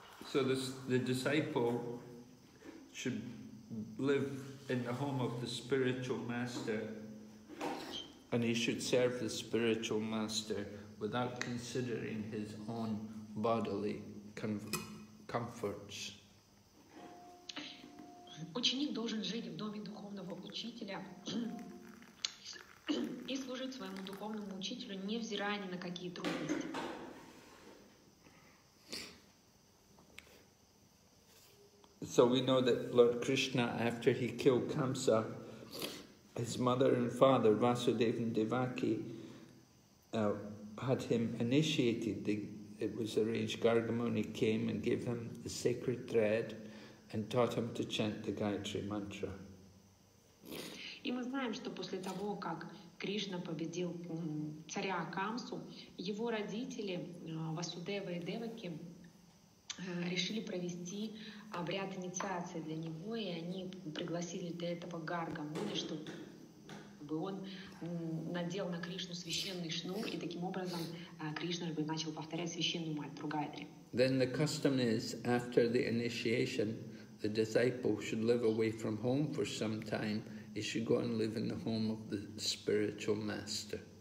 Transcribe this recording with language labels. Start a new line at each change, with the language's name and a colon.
English: So the disciple should live in the home of the spiritual master, and he should serve the spiritual master without considering his own bodily comforts.
Russian: Ученик должен жить в доме духовного учителя, и служить своему духовному учителю, невзирая ни на какие трудности.
English: So we know that Lord Krishna, after he killed Kamsa, his mother and father, Vasudev and Devaki, had him initiated. It was arranged, Gargamuni came and gave him the sacred thread and taught him to chant the Gayatri Mantra.
Russian: И мы знаем, что после того, как Кришна победил царя Камсу, его родители, Васудева и Деваки, решили провести обряд инициации для него, и они пригласили для этого Гаргамуни, чтобы он надел на Кришну священный шнур, и таким образом Кришна бы начал повторять священную мантру Гайдри.
English: Then the custom is, after the initiation, the disciple should live away from home for some time. He should go and live in the home of the spiritual master.